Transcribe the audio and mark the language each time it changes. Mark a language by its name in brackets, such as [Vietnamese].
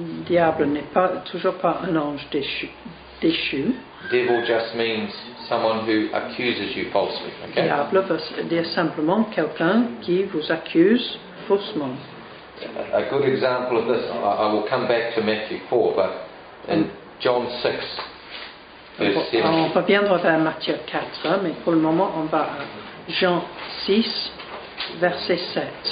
[French] Diable n'est pas toujours pas un ange déchu. [English] Devil just means someone who accuses you falsely. Okay? [French] Diable veut dire simplement quelqu'un qui vous accuse faussement. [English] A good example of this, I will come back to Matthew 4, but in John 6, verse 7. [French] On reviendra vers Matthieu 4, mais pour le moment on va à Jean 6, verset 7.